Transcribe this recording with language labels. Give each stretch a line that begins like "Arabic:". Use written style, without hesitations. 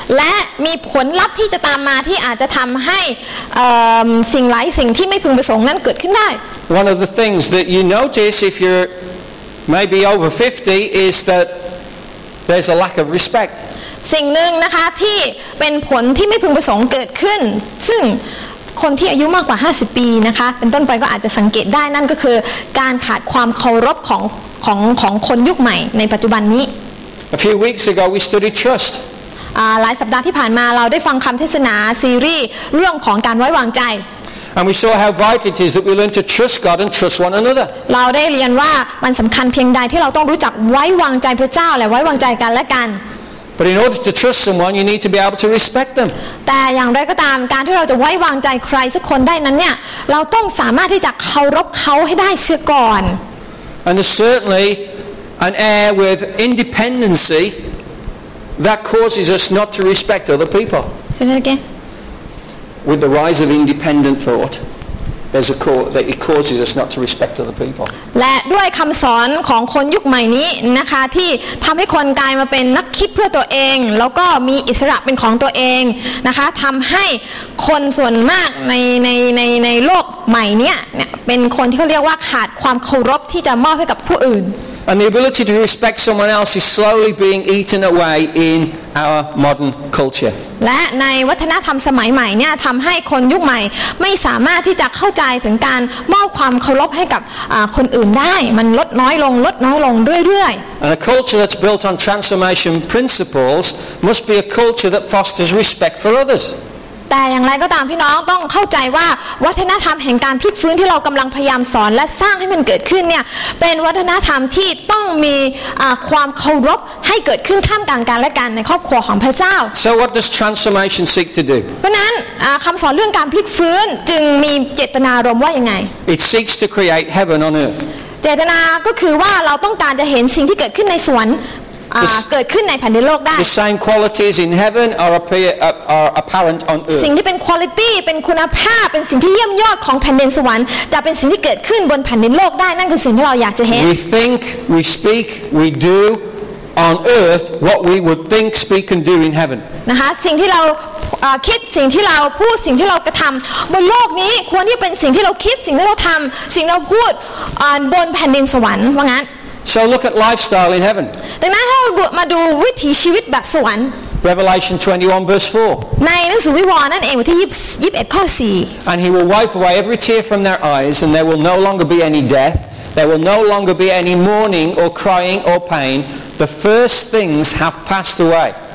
Thai: และมีผลลัพธ์ที่จะตามมาที่อาจจะทำให้สิ่งหลายสิ่งที่ไม่พึงประสงค์นั้นเกิดขึ้นได้
English: One of the things that you notice if you'reMaybe over 50 is that there's a lack of respect.
Thai: สิ่งหนึ่งนะคะที่เป็นผลที่ไม่พึงประสงค์เกิดขึ้นซึ่งคนที่อายุมากกว่า50ปีนะคะเป็นต้นไปก็อาจจะสังเกตได้นั่นก็คือการขาดความเคารพของคนยุคใหม่ในปัจจุบันนี้
English: A few weeks ago we studied trust.
Thai: หลายสัปดาห์ที่ผ่านมาเราได้ฟังคำเทศนาซีรีส์เรื่องของการไว้วางใจ
English: And we saw how vital it is that we learn to trust God and trust one another.
Thai: เราได้เรียนว่ามันสำคัญเพียงใดที่เราต้องรู้จักไว้วางใจพระเจ้าและไว้วางใจกันและกัน
English: But in order to trust someone, you need to be able to respect them.
Thai: แต่อย่างไรก็ตามการที่เราจะไว้วางใจใครสักคนได้นั้นเนี่ยเราต้องสามารถที่จะเคารพเขาให้ได้เสียก่อน
English: And there's certainly an air with independency that causes us not to respect other people. Say that again. With the rise of independent thought, there's a cause that it causes us not to respect other people.
Thai: และด้วยคำสอนของคนยุคใหม่นี้นะคะที่ทำให้คนกลายมาเป็นนักคิดเพื่อตัวเองแล้วก็มีอิสระเป็นของตัวเองนะคะทำให้คนส่วนมากในโลกใหม่นี้เป็นคนที่เขาเรียกว่าขาดความเคารพที่จะมอบให้กับผู้อื่น
English: And the ability to respect someone else is slowly being eaten away in our modern culture.
Thai: และในวัฒนธรรมสมัยใหม่เนี่ยทำให้คนยุคใหม่ไม่สามารถที่จะเข้าใจถึงการมอบความเคารพให้กับคนอื่นได้มันลดน้อยลงลดน้อยลงเรื่อย
English: ๆ And a culture that's built on transformation principles must be a culture that fosters respect for others
Thai: แต่อย่างไรก็ตามพี่น้องต้องเข้าใจว่าวัฒนธรรมแห่งการพลิกฟื้นที่เรากำลังพยายามสอนและสร้างให้มันเกิดขึ้นเนี่ยเป็นวัฒนธรรมที่ต้องมีความเคารพให้เกิดขึ้นท่ามกลางการและกันในครอบครัวของพระเจ้า
English: So what does transformation seek to do
Thai: เพราะนั้นคำสอนเรื่องการพลิกฟื้นจึงมีเจตนารมณ์ว่ายังไง
English: It seeks to create heaven on earth
Thai: เจตนาก็คือว่าเราต้องการจะเห็นสิ่งที่เกิดขึ้นในสวนเกิดขึ้นในแผ่นดินโลกได้
English: The same qualities in heaven are apparent on earth
Thai: สิ่งที่เป็น quality เป็นคุณภาพเป็นสิ่งที่เยี่ยมยอดของแผ่นดินสวรรค์จะเป็นสิ่งที่เกิดขึ้นบนแผ่นดินโลกได้นั่นคือสิ่งที่เราอยากจะเห็น
English: We think we speak we do on earth what we would think speak and do in heaven
Thai: นะคะสิ่งที่เราคิดสิ่งที่เราพูดสิ่งที่เรากระทำบนโลกนี้ควรที่เป็นสิ่งที่เราคิดสิ่งที่เราทำสิ่งที่เราพูดบนแผ่นดินสวรรค์ว่างั้น
English: So look at lifestyle in heaven.
Thai: ดังนั้นถ้าเรามาดูวิถีชีวิตแบบสวรรค์
English: Revelation 21 verse 4.
Thai: ในหนังสือวิวรณ์นั่นเองที่21ข้อ4.
English: And he will wipe away every tear from their eyes, and there will no longer be any death. There will no longer be any mourning or crying or pain. The first things have passed away.